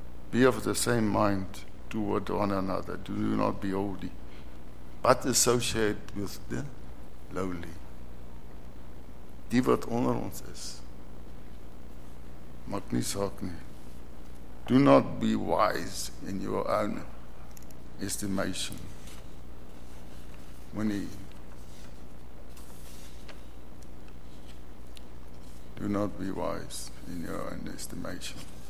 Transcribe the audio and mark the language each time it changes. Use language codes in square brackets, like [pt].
[en] Be of the same mind toward one another. Do not be haughty, but associate with the lowly. [af] Die wat onder ons is, maak nie saak nie. [en] Do not be wise in your own estimation. Do not be wise in your own estimation.